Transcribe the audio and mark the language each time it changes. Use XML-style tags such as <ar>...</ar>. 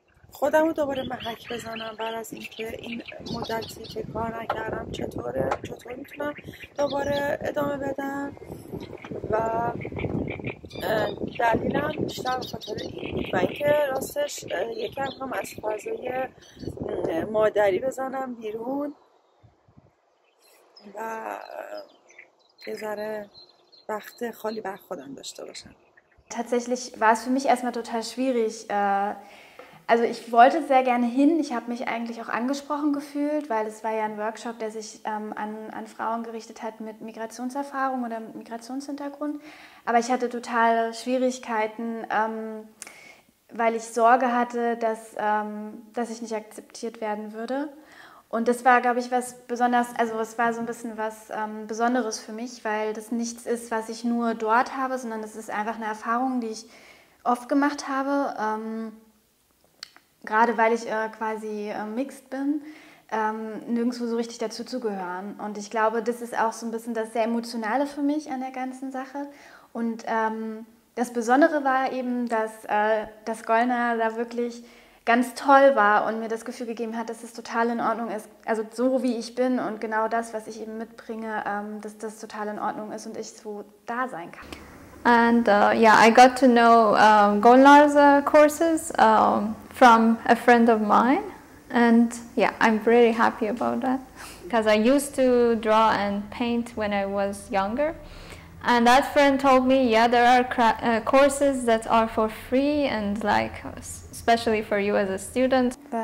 <fa>خودم رو دوباره محک بزنم بعد از اینکه این مدتی که کار نکردم چطور میتونم دوباره ادامه بدم و دلیلم بیشتر خاطر این و اینکه راستش یکم هم از فضای مادری بزنم بیرون و یه ذره وقت خالی بر خودم داشته باشم.</fa> <de>Tatsächlich war es für mich erstmal total schwierig. Also ich wollte sehr gerne hin, ich habe mich eigentlich auch angesprochen gefühlt, weil es war ja ein Workshop, der sich an Frauen gerichtet hat mit Migrationserfahrung oder mit Migrationshintergrund. Aber ich hatte totale Schwierigkeiten, weil ich Sorge hatte, dass ich nicht akzeptiert werden würde. Und das war, glaube ich, was besonders, also es war so ein bisschen was Besonderes für mich, weil das nichts ist, was ich nur dort habe, sondern es ist einfach eine Erfahrung, die ich oft gemacht habe. Gerade weil ich quasi mixed bin, nirgendwo so richtig dazu zu gehören. Und ich glaube, das ist auch so ein bisschen das sehr Emotionale für mich an der ganzen Sache. Und das Besondere war eben, dass Golnar da wirklich ganz toll war und mir das Gefühl gegeben hat, dass es total in Ordnung ist. Also so wie ich bin und genau das, was ich eben mitbringe, dass das total in Ordnung ist und ich so da sein kann.</de> <en>And yeah, I got to know Golnar's courses from a friend of mine. And yeah, I'm really happy about that because I used to draw and paint when I was younger. And that friend told me, yeah, there are courses that are for free and like especially for you as a student.</en>